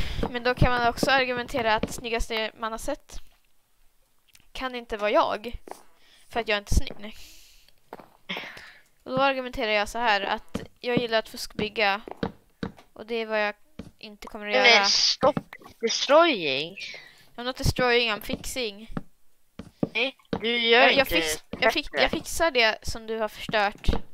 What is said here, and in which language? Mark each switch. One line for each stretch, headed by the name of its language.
Swedish: Men då kan man också argumentera att det snyggaste man har sett kan inte vara jag. För att jag är inte snygg. Nej. Och då argumenterar jag så här att jag gillar att fuskbygga. Och det är vad jag inte kommer att göra. Men stopp
English: destroying. I'm not destroying, I'm fixing.
Swedish: Nej, du gör inte jag fixar det som du har förstört.